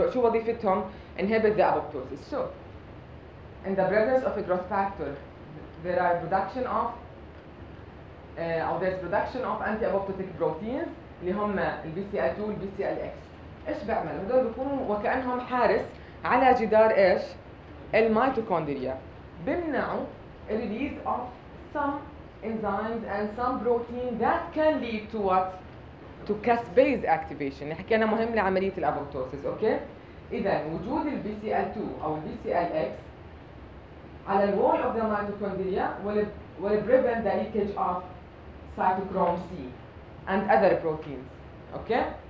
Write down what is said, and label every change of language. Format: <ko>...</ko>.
<ar>شو وظيفتهم؟</ar> <en>انهبت ذا ابوبتوسيس. سو ان ذا بريزنس اوف ا جروث فاكتور there are production of or there's production of anti-apoptotic proteins</en> <ar>اللي هم</ar> <en>BCL2 والBCLX.</en> <ar>إيش بعمل؟ هدول بيكونوا وكأنهم حارس على جدار إيش؟ الميتوكوندريا.</ar> <en>بمنعوا release of some enzymes and some protein that can lead to what? To caspase activation.</en> <ar>حكينا مهم لعملية الأبوبتوسيس. أوكي؟ إذا وجود</ar> <en>BCL2 أو BCLX على the wall of the mitochondria will prevent the leakage of cytochrome C and other proteins. Okay.</en>